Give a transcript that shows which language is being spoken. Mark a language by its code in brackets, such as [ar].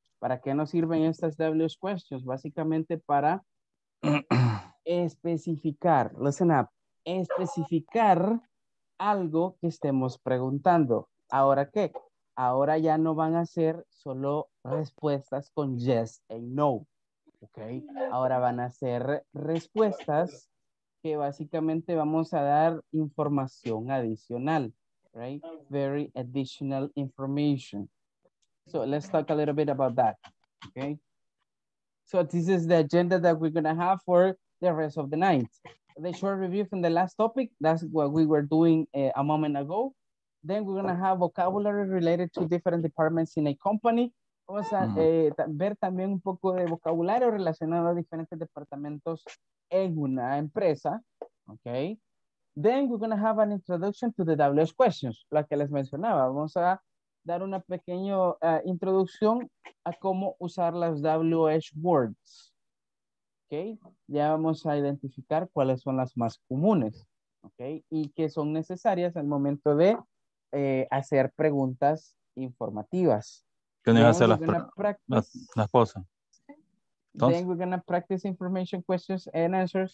[es] ¿Para qué nos sirven estas WH questions? Básicamente para especificar, [en] listen up, [es] especificar algo que estemos preguntando. ¿Ahora qué? Ahora ya no van a ser solo respuestas con [en] yes and no, [es] okay. Ahora van a ser respuestas que básicamente vamos a dar información adicional, right? [en] Very additional information. So let's talk a little bit about that, okay? So this is the agenda that we're gonna have for the rest of the night. The short review from the last topic, that's what we were doing a moment ago. Then we're gonna have vocabulary related to different departments in a company. [es] Vamos a ver también un poco de vocabulario relacionado a diferentes departamentos en una empresa, okay? [en] Then we're going to have an introduction to the WH questions, [es] la que les mencionaba. Vamos a dar una pequeña introducción a cómo usar las WH words. Okay? Ya vamos a identificar cuáles son las más comunes, okay? Y que son necesarias al momento de hacer preguntas informativas. ¿Qué nos va a hacer las cosas? [en] Entonces, then we're going to practice information questions and answers.